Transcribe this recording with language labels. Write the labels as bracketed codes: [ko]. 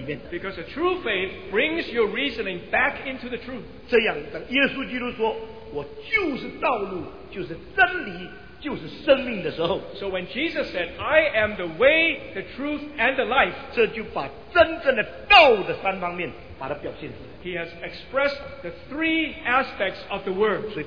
[en] Because a true faith brings your reasoning back into the truth. [zh] 这样，当耶稣基督说，我就是道路，就是真理，就是生命的时候， [en] so when Jesus said, I am the way, the truth, and the life, [zh] 这就把真正的道的三方面。 [en] He has expressed the three aspects of the Word.